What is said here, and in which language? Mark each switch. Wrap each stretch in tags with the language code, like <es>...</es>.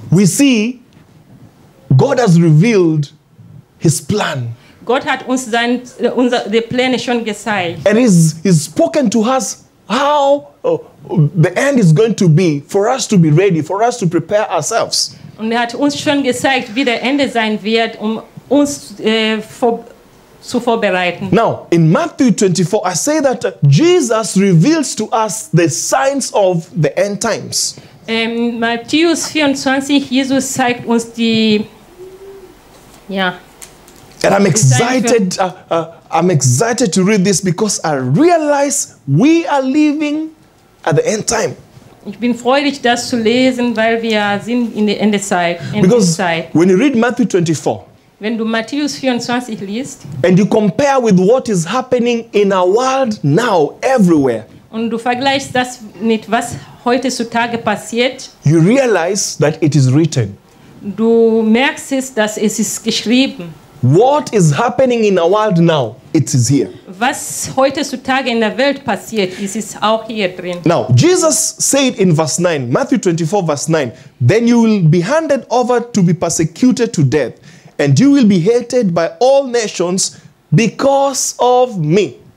<en>we see God has revealed his plan.</en> <de>Gott hat uns die Pläne schon gezeigt.</de> <en>And he's spoken to us how the end is going to be for us to be ready, for us to prepare ourselves.</en> <de>Und hat uns schon gezeigt, wie der Ende sein wird, um uns zu vorbereiten.</de> <en>Now, in Matthew 24, I say that Jesus reveals to us the signs of the end times.</en> <de>Matthäus 24, Jesus zeigt uns die, ja.</de> <en>And I'm excited to read this because I realize we are living at the end time.</en> <de>Ich bin freudig, das zu lesen, weil wir sind in der Endezeit.</de> <en>Because when you read Matthew 24,</en> <de>wenn du Matthäus 24 liest,</de> <en>and you compare with what is happening in our world now, everywhere,</en> <de>und du vergleichst das mit was heutzutage passiert,</de> <en>you realize that it is written.</en> <de>Du merkst es, dass es ist geschrieben.</de> <en>What is happening in our world now, it is here.</en> <de>Was heutzutage in der Welt passiert, es ist auch hier drin.</de> <en>Now, Jesus said in verse 9, Matthew 24, verse 9, then you will be handed over to be persecuted to death, and you will be hated by all nations because of me.</en>